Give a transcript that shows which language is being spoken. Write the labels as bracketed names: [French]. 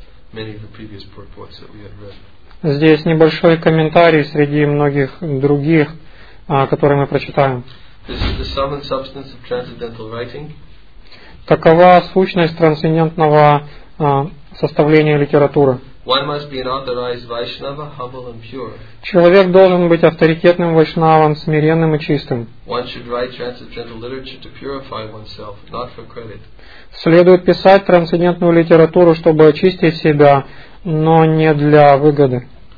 [English] Many of the previous purports that we had read. [Russian] Здесь небольшой комментарий среди многих других, которые мы прочитаем. [English] This is the sum and substance of transcendental writing. [Russian] Такова сущность трансцендентного составления литературы. [English] One must be an authorized Vaishnava, humble and pure. [Russian] Человек должен быть авторитетным вайшнавом, смиренным и чистым. [English] One should write transcendental literature to purify oneself, not for credit. [Russian] Следует писать трансцендентную литературу, чтобы очистить себя, но не для выгоды.